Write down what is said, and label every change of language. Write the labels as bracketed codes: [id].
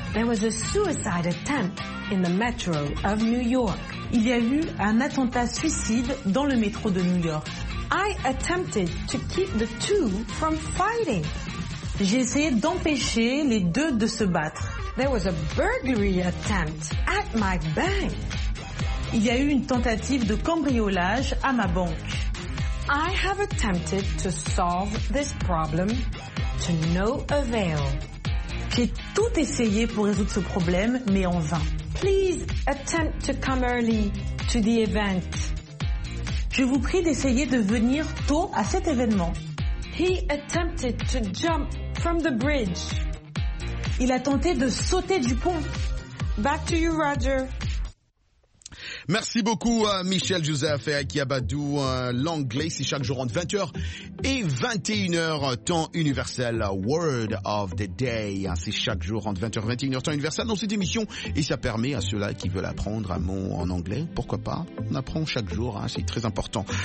[en] There was a suicide attempt in the metro of New York. [fr] Il y a eu un attentat suicide dans le métro de New York. [en] I attempted to keep the two from fighting. [fr] J'ai essayé d'empêcher les deux de se battre. [en] There was a burglary attempt at my bank. [fr] Il y a eu une tentative de cambriolage à ma banque. [en] I have attempted to solve this problem to no avail. [fr] J'ai tout essayé pour résoudre ce problème, mais en vain. [en] Please attempt to come early to the event. [fr] Je vous prie d'essayer de venir tôt à cet événement. [en] He attempted to jump from the bridge. [fr] Il a tenté de sauter du pont. [en] Back to you, Roger. [fr] Merci beaucoup à Michel Joseph et Aki Abadou, l'anglais, c'est chaque jour entre 20h et 21h, temps universel, Word of the Day, c'est chaque jour entre 20h et 21h, temps universel dans cette émission, et ça permet à ceux-là qui veulent apprendre un mot en anglais, pourquoi pas, on apprend chaque jour, c'est très important.